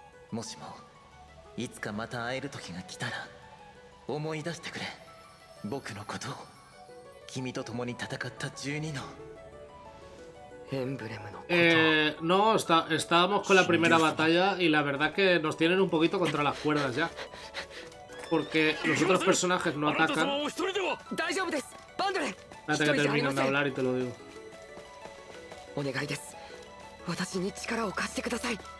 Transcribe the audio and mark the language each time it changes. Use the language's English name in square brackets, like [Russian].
[Japanese] もしもいつかまた会える時が来たら思い出してくれ僕のことを君と共に戦った12のエンブレムのこと。 [Spanish] No, estábamos con la primera batalla y la verdad que nos tienen un poquito contra las cuerdas ya. Porque los otros personajes no atacan. Espérate que termino de hablar y te lo digo. [Japanese] お願いです。私に力を貸してください。